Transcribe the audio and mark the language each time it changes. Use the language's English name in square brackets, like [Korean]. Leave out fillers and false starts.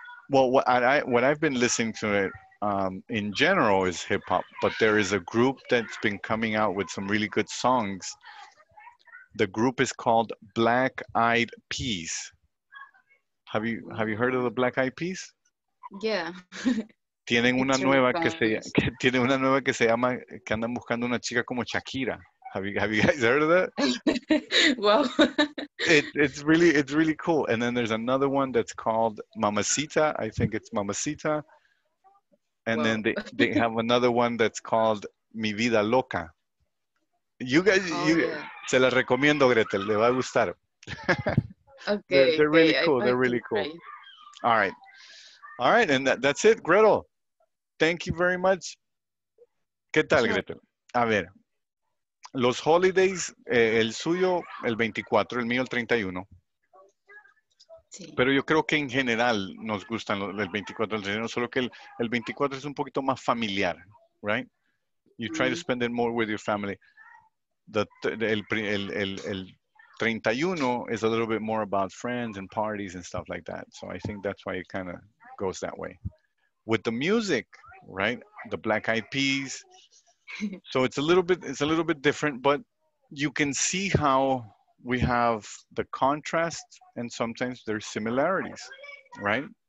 [English] What I've been listening to it in general is hip hop, but there is a group that's been coming out with some really good songs. The group is called Black Eyed Peas. Have you heard of the Black Eyed Peas? Yeah. [Spanish] Tienen una nueva que se llama que andan buscando una chica como Shakira. [English] Have you guys heard of that? Well, it's really cool. And then there's another one that's called Mamacita. I think it's Mamacita. And then they have another one that's called Mi Vida Loca. [Spanish] Se la recomiendo, Gretel. Le va a gustar. Okay. [English] They're really cool. All right. And that's it, Gretel. Thank you very much. [Spanish] ¿Qué tal, Gretel? A ver. Los holidays, el suyo el 24, el mío el 31. Sí. Pero yo creo que en general nos gustan el 24, el 31, solo que el 24 es un poquito más familiar, right? [English] You try to spend it more with your family. El 31 is a little bit more about friends and parties and stuff like that. So I think that's why it kind of goes that way. With the music, right? The Black Eyed Peas. So it's a little bit different, but you can see how we have the contrast and sometimes there's similarities, right?